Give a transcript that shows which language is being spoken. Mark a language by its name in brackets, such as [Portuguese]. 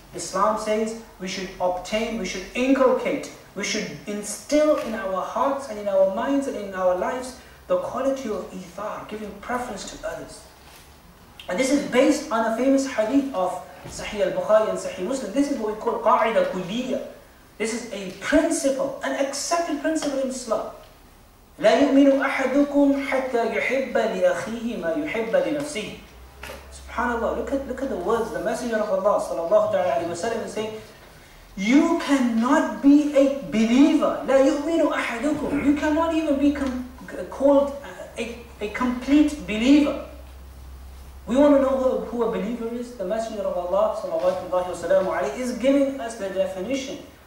[English] Islam says we should obtain, we should inculcate, we should instill in our hearts and in our minds and in our lives the quality of ithar, giving preference to others. And this is based on a famous hadith of Sahih al-Bukhari and Sahih Muslim. This is what we call qa'ida kulliya. This is a principle, an accepted principle in Islam. [Arabic] لا يؤمن أحدكم حتى يحب لأخيه ما يحب لنفسه. [English] SubhanAllah, look at the words, the Messenger of Allah sallallahu alayhi wa sallam is saying, you cannot be a believer. [Arabic] لا يؤمن أحدكم. [English] You cannot even be called a complete believer. We want to know who a believer is. The Messenger of Allah sallallahu alayhi wa is giving us the definition.